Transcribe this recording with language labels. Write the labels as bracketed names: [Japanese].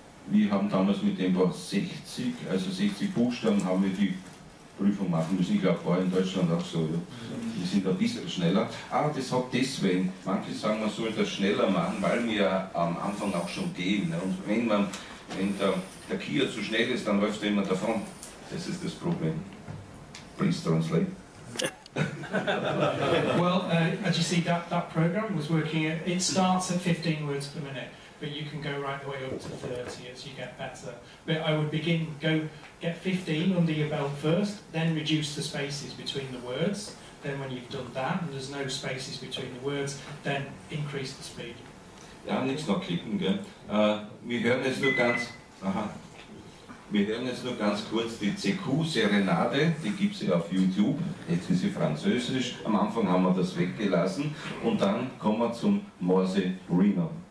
[German] Wir haben damals mit Tempo 60, also 60 Buchstaben haben wir die Prüfung machen müssen. Ich glaube, vorher in Deutschland auch so. Ja. Wir sind ein bisschen schneller. Ah, das hat deswegen, manche sagen, man soll das schneller machen, weil wir am Anfang auch schon gehen. Ne? Und wenn der Kia zu schnell ist, dann läuft er immer davon. Das ist das Problem. [English] Please translate. Well, as you see, that program was working. It starts at 15 words per minute, but you can go right the way up to 30 as you get better. But I would begin, go get 15 under your belt first, then reduce the spaces between the words. Then when you've done that, and there's no spaces between the words, then increase the speed. [German] Ja, nichts noch klicken, gell? Wir hören jetzt nur ganz, kurz die CQ-Serenade, die gibt es ja auf YouTube, jetzt ist sie französisch, am Anfang haben wir das weggelassen, und dann kommen wir zum Morse Reno.